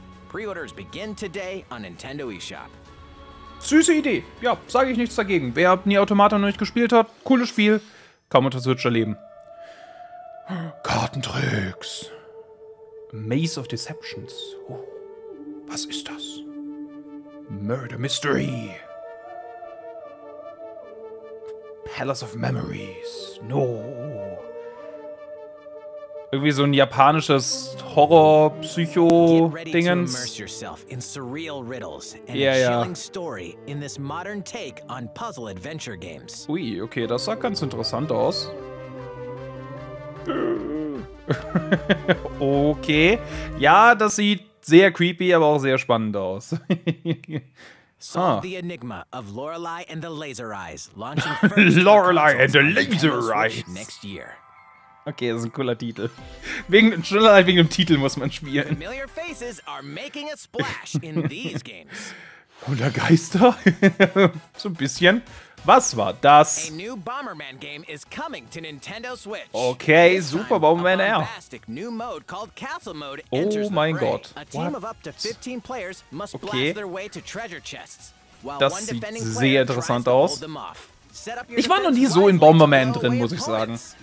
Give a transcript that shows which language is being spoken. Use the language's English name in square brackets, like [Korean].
[English] Pre-orders begin today on Nintendo eShop. [German] Süße Idee. Ja, sage ich nichts dagegen. Wer Nier Automata noch nicht gespielt hat, cooles Spiel. Kaum unter Switch erleben. [English] Kartentricks. Maze of Deceptions. [German] Oh, was ist das? Murder Mystery. [English] Palace of Memories. No. [German] Irgendwie so ein japanisches Horror-Psycho-Dingens. [English] Get ready to immerse yourself in surreal riddles and a chilling story in this modern take on puzzle adventure games. [German] Ui, okay, das sah ganz interessant aus. Okay. Ja, das sieht sehr creepy, aber auch sehr spannend aus. [English] Solve the enigma of Lorelei and the Laser Eyes. Lorelei and the Laser Eyes. Next year. [German] Okay, das ist ein cooler Titel. Wegen dem Titel muss man spielen. [English] Familiar faces are making a splash in these games. [German] Oder Geister? So ein bisschen. Was war das? [English] A new Bomberman game is coming to Nintendo Switch. Okay, this super Bomberman Air. New mode called Castle mode. [German] Oh mein Gott. [English] A team of up to 15 players must blast their way to treasure chests. [German] Das sieht sehr interessant aus. Ich war noch nie so in Bomberman drin, muss ich sagen.